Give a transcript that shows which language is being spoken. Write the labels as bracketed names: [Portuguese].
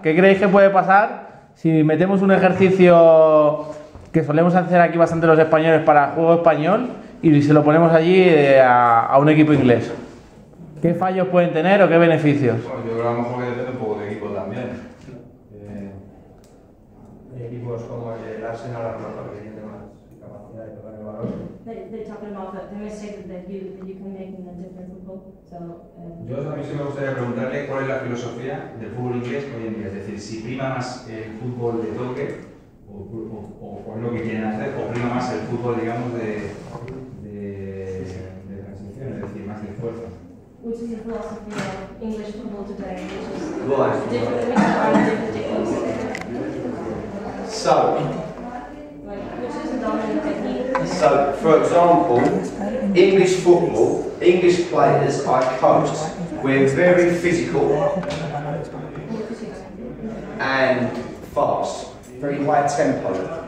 [Spanish] ¿Qué creéis que puede pasar si metemos un ejercicio que solemos hacer aquí bastante los españoles para el juego español y se lo ponemos allí a un equipo inglés? ¿Qué fallos pueden tener o qué beneficios? Bueno, yo creo que a lo mejor depende un poco del equipo también. Hay equipos como el de Arsenal, que tiene más capacidad de tocar el balón. [English] They're talking about the message that you can make in a different football. [Spanish] So, yo a mí me gustaría preguntarle cuál es la filosofía del fútbol inglés hoy en día. Es decir, si prima más el fútbol de toque o lo que quieren hacer, o prima más el fútbol, digamos, de transición, es decir, más de esfuerzo. [English] Which is the philosophy of English football today, which is different. So, for example, English football, English players I coached, we're very physical and fast, very high tempo.